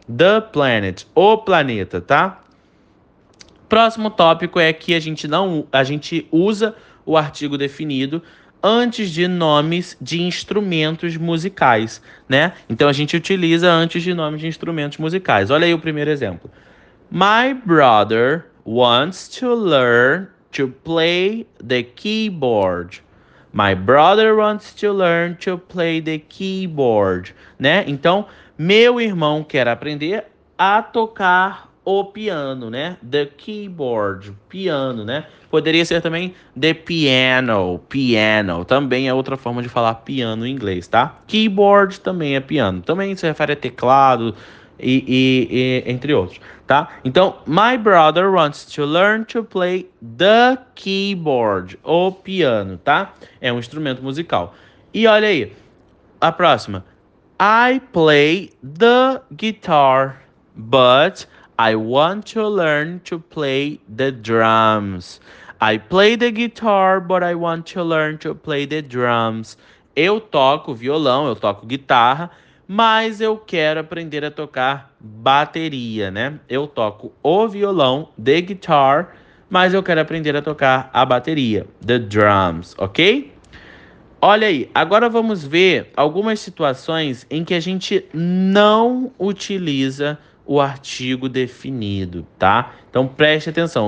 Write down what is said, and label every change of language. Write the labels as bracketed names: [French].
[English] The planet, [Portuguese] o planeta, tá? Próximo tópico é que a gente usa o artigo definido antes de nomes de instrumentos musicais, né? Então a gente utiliza antes de nomes de instrumentos musicais. Olha aí o primeiro exemplo. [English] My brother wants to learn to play the keyboard. My brother wants to learn to play the keyboard, né? [Portuguese] Então, meu irmão quer aprender a tocar o piano, né? The keyboard, piano, né? Poderia ser também the piano, piano. Também é outra forma de falar piano em inglês, tá? Keyboard também é piano. Também se refere a teclado e entre outros, tá? Então, [English] my brother wants to learn to play the keyboard, [Portuguese] o piano, tá? É um instrumento musical. E olha aí, a próxima. [English] I play the guitar, but I want to learn to play the drums. I play the guitar, but I want to learn to play the drums. [Portuguese] Eu toco violão, eu toco guitarra, mas eu quero aprender a tocar bateria, né? Eu toco o violão, [English] the guitar, [Portuguese] mas eu quero aprender a tocar a bateria, [English] the drums, [Portuguese] ok? Olha aí, agora vamos ver algumas situações em que a gente não utiliza o artigo definido, tá? Então preste atenção.